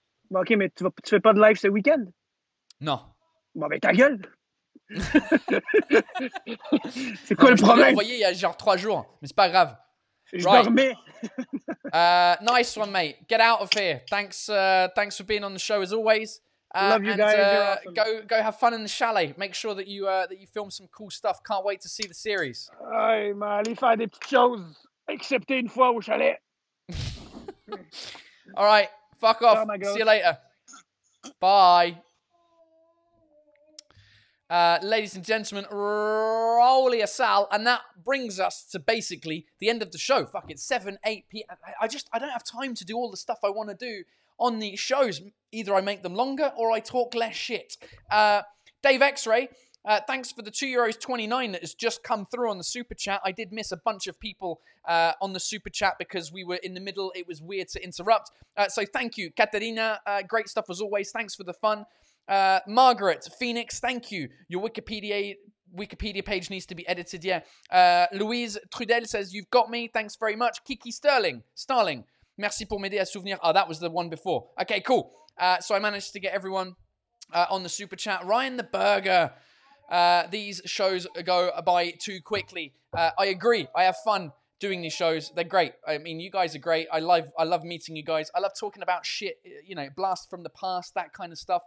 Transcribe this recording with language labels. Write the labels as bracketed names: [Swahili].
[French] Bon, OK, mais tu fais pas de live ce week-end? Non. Bon, mais ta gueule. C'est quoi non, le problème? Je envoyé il y a genre 3 jours, mais c'est pas grave. Je dormais. [English] nice one, mate. Get out of here. Thanks for being on the show as always. Love you guys. Go have fun in the chalet. Make sure that you film some cool stuff. Can't wait to see the series. [French] Aïe, mais allez faire des petites choses. Excepté une fois au chalet. [English] All right. Fuck off. Oh, see you later. Bye. Ladies and gentlemen, Rolly Asal, and that brings us to basically the end of the show. Fuck it, 7, 8pm. I don't have time to do all the stuff I want to do on these shows. Either I make them longer or I talk less shit. Dave X-Ray, thanks for the €2.29 that has just come through on the Super Chat. I did miss a bunch of people on the Super Chat because we were in the middle. It was weird to interrupt. So thank you, Katerina. Great stuff as always. Thanks for the fun. Margaret Phoenix, thank you. Your Wikipedia page needs to be edited, yeah. Louise Trudel says, you've got me. Thanks very much. [French] Kiki Starling, merci pour m'aider à souvenir. [English] Oh, that was the one before. Okay, cool. So I managed to get everyone on the Super Chat. Ryan the Burger, these shows go by too quickly. I agree. I have fun doing these shows. They're great. I mean, you guys are great. I love meeting you guys. I love talking about shit, you know, blast from the past, that kind of stuff.